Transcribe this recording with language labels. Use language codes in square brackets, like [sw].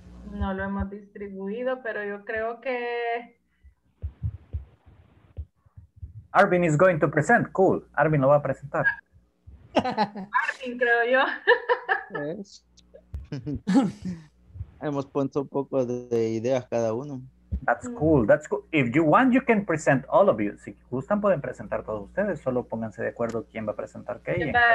[es] No lo hemos distribuido, pero yo creo que... [en] Arvin is going to present. Cool. [es] Arvin lo va a presentar. Arvin, creo yo. Hemos puesto un poco de ideas cada uno. [en] That's cool. If you want, you can present all of you. [es] Si gustan, pueden presentar todos ustedes. Solo pónganse de acuerdo quién va a presentar qué.